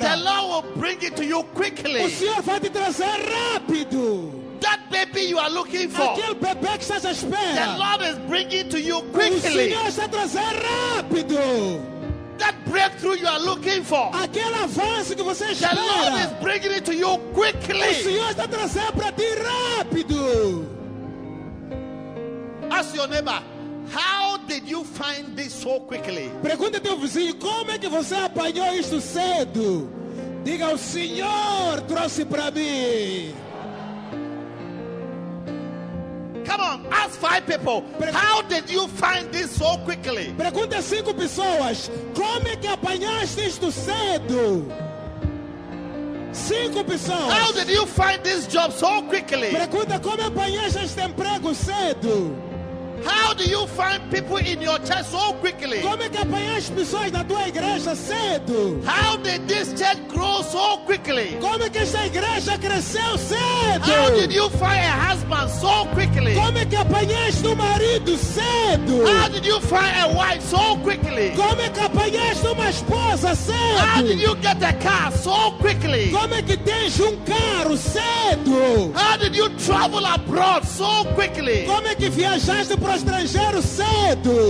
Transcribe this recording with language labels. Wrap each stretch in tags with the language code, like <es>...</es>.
<en>The Lord will bring it to you quickly.</en> <pt>O Senhor vai te trazer rápido.</pt> <en>That baby you are looking for.</en> <pt>Aquele bebê que estás à espera.</pt> <en>The Lord is bringing to you quickly.</en> <pt>O Senhor está a trazer rápido.</pt> <en>That breakthrough you are looking for.</en> <pt>Aquele avanço que você espera.</pt> <en>The Lord is bringing it to you quickly.</en> <pt>O Senhor está a trazer para ti rápido.</pt> <en>Ask your neighbor, how did you find this so quickly?</en> <pt>Pergunte ao teu vizinho, como é que você apanhou isto cedo? Diga, o Senhor trouxe para mim.</pt> <en>Come on, ask five people, how did you find this so quickly?</en> <pt>Pergunte a cinco pessoas, como é que apanhaste isto cedo? Cinco pessoas.</pt> <en>How did you find this job so quickly?</en> <pt>Pergunte como apanhaste este emprego cedo?</pt> <en>How do you find people in your church so quickly?</en> <pt>Como é que apanhaste pessoas na tua igreja cedo?</pt> <en>How did this church grow so quickly?</en> <pt>Como é que esta igreja cresceu cedo?</pt> <en>How did you find a husband so quickly?</en> <pt>Como é que apanhaste marido cedo?</pt> <en>How did you find a wife so quickly?</en> <pt>Como é que apanhaste esposa cedo?</pt> <en>How did you get a car so quickly?</en> <pt>Como é que tens carro cedo?</pt> <en>How did you travel abroad so quickly?</en> <pt>Como é que viajaste para o estrangeiro cedo?</pt>